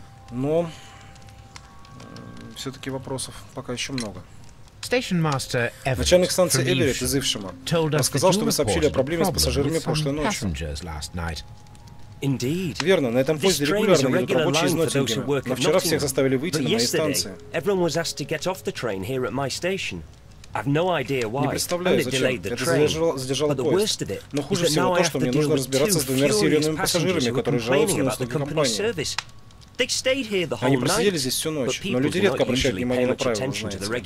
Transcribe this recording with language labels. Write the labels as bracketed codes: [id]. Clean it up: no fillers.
[ru] Но все-таки вопросов пока еще много. Начальник станции Эверетт из Ившема рассказал, что вы сообщили о проблеме с пассажирами прошлой ночью. [en] Indeed. [ru] Верно, на этом поезде регулярно едут рабочие из Ноттингема, но вчера всех заставили выйти на моей станции. [en] Everyone was asked to get off the train here at my station. I've no idea why. [ru] Не представляю, зачем. Это задержало поезд. Но хуже всего то, что мне нужно разбираться с двумя серьезными пассажирами, которые жалуются на услуги компании. Они просидели здесь всю ночь, но люди редко обращают внимание на правила, знаете.